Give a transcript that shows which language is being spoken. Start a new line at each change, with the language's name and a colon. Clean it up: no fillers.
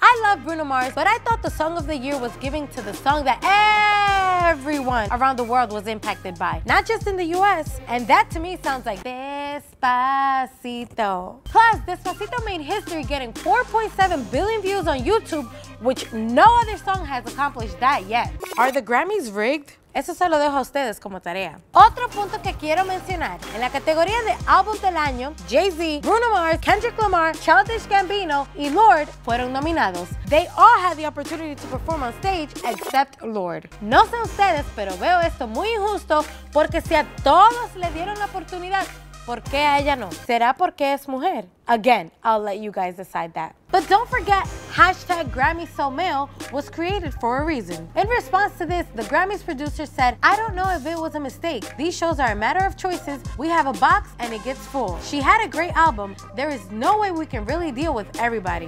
English: I love Bruno Mars, but I thought the Song of the Year was giving to the song that everyone around the world was impacted by, not just in the US. And that to me sounds like Despacito. Plus, Despacito made history getting 4.7 billion views on YouTube, which no other song has accomplished that yet. Are the Grammys rigged?
Spanish: Eso se lo dejo a ustedes como tarea. Otro punto que quiero mencionar. En la categoría de álbum del año, Jay-Z, Bruno Mars, Kendrick Lamar, Childish Gambino y Lorde fueron nominados.
English: They all had the opportunity to perform on stage except Lorde.
Spanish: No sé ustedes, pero veo esto muy injusto porque si a todos le dieron la oportunidad, ¿por qué a ella no? ¿Será porque es mujer?
English: Again, I'll let you guys decide that. But don't forget, hashtag GrammySoMale was created for a reason. In response to this, the Grammys producer said, I don't know if it was a mistake. These shows are a matter of choices. We have a box and it gets full. She had a great album. There is no way we can really deal with everybody.